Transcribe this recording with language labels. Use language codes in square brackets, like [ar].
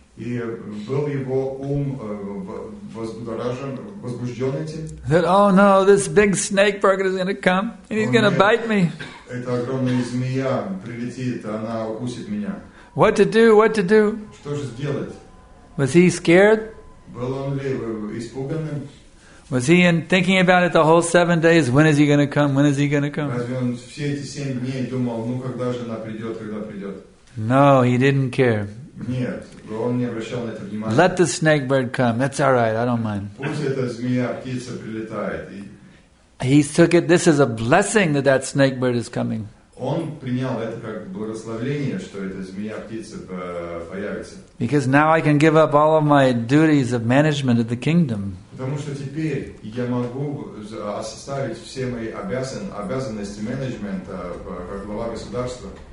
[ru] И был его ум возбудоражен, возбужден этим. [en] That, oh no, this big snake bird is going to come, and he's going to bite me. [ru] Эта огромная змея прилетит, она укусит меня. [en] What to do, what to do? [ru] Что же сделать? [en] Was he scared? [ru] Был он ли испуганным? [en] Was he in thinking about it the whole 7 days? When is he going to come? When is he going to come? [ru] Разве он все эти 7 дней думал, ну когда же она придет, когда придет? [en] No, he didn't care. [ru] Нет, он не обращал на это внимания. [en] Let the snake bird come. That's all right. I don't mind. [ru] Пусть эта змея, птица прилетает. [en] He took it. This is a blessing that that snake bird is coming. [ru] Он принял это как благословение, что эта змея, птица появится. [en] Because now I can give up all of my duties of management of the kingdom. [ru] Потому что теперь я могу оставить все мои обязанности менеджмента как глава государства.